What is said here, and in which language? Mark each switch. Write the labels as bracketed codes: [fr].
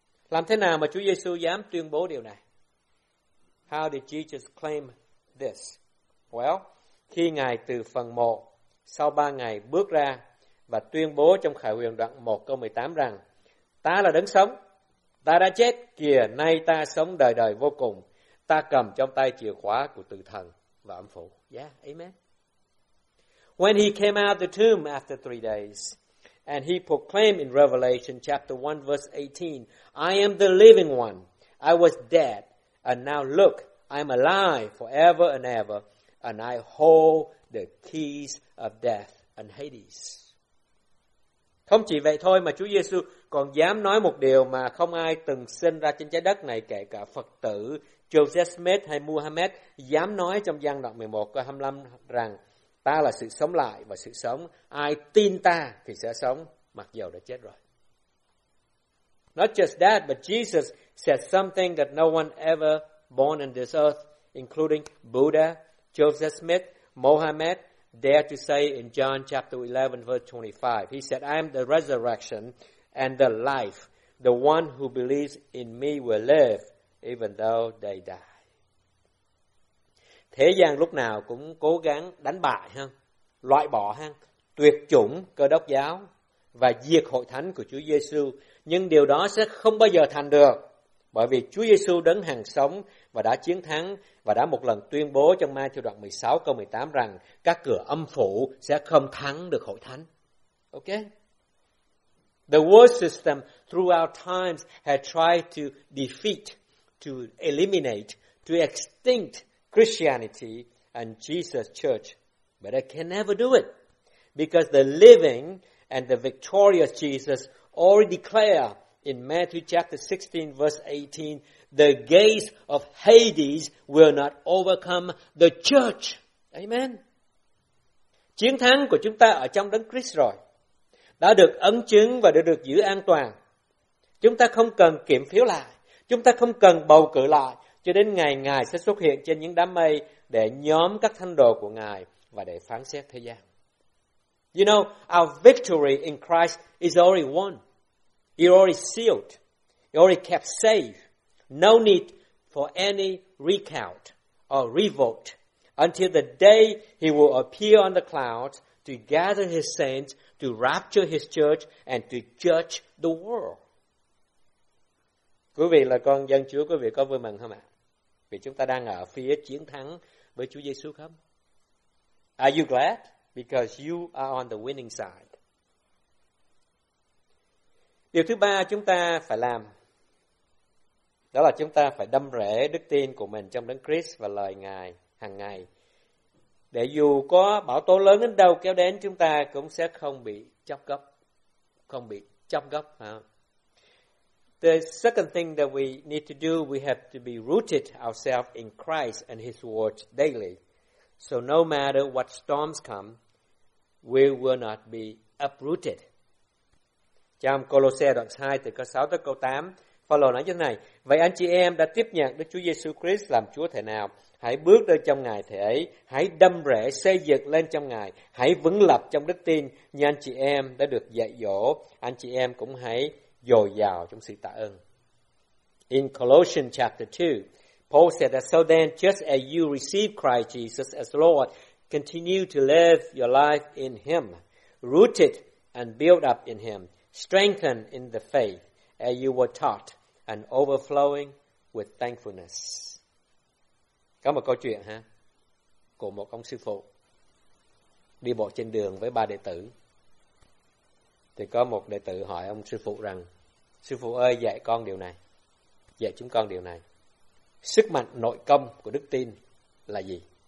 [vi] Làm thế nào mà Chúa Giêsu dám tuyên bố điều này? [en] How did Jesus claim this? [vi] Well, khi Ngài từ phần mộ sau 3 ngày bước ra và tuyên bố trong Khải Huyền đoạn 1 câu 18 rằng, ta là đấng sống. Ta đã chết, kìa nay ta sống đời đời vô cùng. Ta cầm trong tay chìa khóa của tử thần và âm phủ. [en] Yeah, amen. When he came out of the tomb after 3 days, and he proclaimed in Revelation chapter 1 verse 18, I am the living one. I was dead, and now look, I am alive forever and ever, and I hold the keys of death and Hades. [vi] Không chỉ vậy thôi mà Chúa Giêsu còn dám nói một điều mà không ai từng sinh ra trên trái đất này, kể cả Phật tử Joseph Smith hay Muhammad, dám nói trong Giăng đoạn 11 câu 25 rằng, ta là sự sống lại và sự sống, ai tin ta thì sẽ sống, mặc dù đã chết rồi. [en] Not just that, but Jesus said something that no one ever born on this earth, including Buddha, Joseph Smith, Muhammad, dare to say in John chapter 11, verse 25. He said, I am the resurrection and the life. The one who believes in me will live, even though they die. [vi] Thế gian lúc nào cũng cố gắng đánh bại, ha? Loại bỏ, ha? Tuyệt chủng cơ đốc giáo và diệt hội thánh của Chúa Giêsu. Nhưng điều đó sẽ không bao giờ thành được, bởi vì Chúa Giêsu đấng hằng sống và đã chiến thắng và đã một lần tuyên bố trong Ma-thi-ơ đoạn 16 câu 18 rằng các cửa âm phủ sẽ không thắng được hội thánh. [en] Okay? The world system throughout times had tried to defeat, to eliminate, to extinct Christianity and Jesus' church, but it can never do it because the living and the victorious Jesus already declared in Matthew chapter 16, verse 18, the gates of Hades will not overcome the church. Amen. [vi] Chiến thắng của chúng ta ở trong đấng Christ rồi, đã được ấn chứng và đã được giữ an toàn. Chúng ta không cần kiểm phiếu lại, chúng ta không cần bầu cử lại, cho đến ngày Ngài sẽ xuất hiện trên những đám mây để nhóm các thánh đồ của Ngài và để phán xét thế gian. [en] You know, our victory in Christ is already won. You're already sealed. You're already kept safe. No need for any recount or revote until the day he will appear on the clouds to gather his saints, to rapture his church, and to judge the world. [vi] Quý vị là con dân Chúa, quý vị có vui mừng không ạ? Vì chúng ta đang ở phía chiến thắng với Chúa Giêsu không? [en] Are you glad? Because you are on the winning side. [vi] Điều thứ ba chúng ta phải làm, đó là chúng ta phải đâm rễ đức tin của mình trong đấng Christ và lời Ngài hàng ngày. Để dù có bão tố lớn đến đâu kéo đến, chúng ta cũng sẽ không bị chóc gốc. Không bị chóc gốc. [en] The second thing that we need to do, we have to be rooted ourselves in Christ and His Word daily. So no matter what storms come, we will not be uprooted. [vi] Trong Colossae đoạn 2 từ câu 6 tới câu 8, Phaolô nói như thế này: Vậy anh chị em đã tiếp nhận Đức Chúa Giêsu Christ làm Chúa thế nào? Hãy bước lên trong Ngài thế ấy, hãy đâm rễ xây dựng lên trong Ngài, hãy vững lập trong đức tin như anh chị em đã được dạy dỗ, anh chị em cũng hãy dồi dào trong sự tạ ơn. [en] In Colossians chapter 2, Paul said that so then, just as you received Christ Jesus as Lord, continue to live your life in Him, rooted and built up in Him, strengthened in the faith as you were taught, and overflowing with thankfulness. [vi] Có một câu chuyện ha, của một ông sư phụ đi bộ trên đường với ba đệ tử. Thì có một đệ tử hỏi ông sư phụ rằng: Sư phụ ơi, dạy con điều này, dạy chúng con điều này, sức mạnh nội công của đức tin là gì?